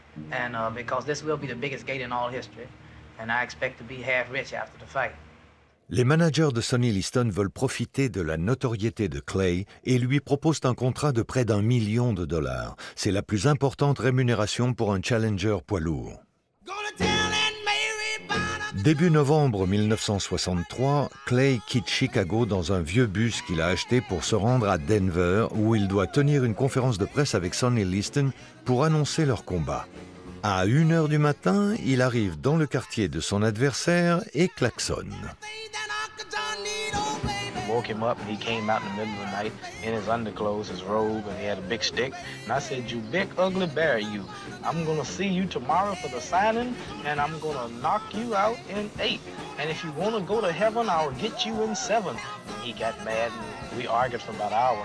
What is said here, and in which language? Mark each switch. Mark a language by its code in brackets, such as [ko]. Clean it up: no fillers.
[en] And because this will be the biggest gate in all history. And I expect to be half rich after the fight. [fr] Les managers de Sonny Liston veulent profiter de la notoriété de Clay et lui proposent un contrat de près d'un million de dollars. C'est la plus importante rémunération pour un challenger poids lourd. Début novembre 1963, Clay quitte Chicago dans un vieux bus qu'il a acheté pour se rendre à Denver, où il doit tenir une conférence de presse avec Sonny Liston pour annoncer leur combat. À 1h du matin, il arrive dans le quartier de son adversaire et klaxonne. [en] Woke him up and he came out in the middle of the night in his underclothes, his robe, and he had a big stick. And I said, you big ugly bear, you. I'm gonna see you tomorrow for the signing and I'm gonna knock you out in 8. And if you wanna go to heaven, I'll get you in 7. And he got mad and we argued for about an hour.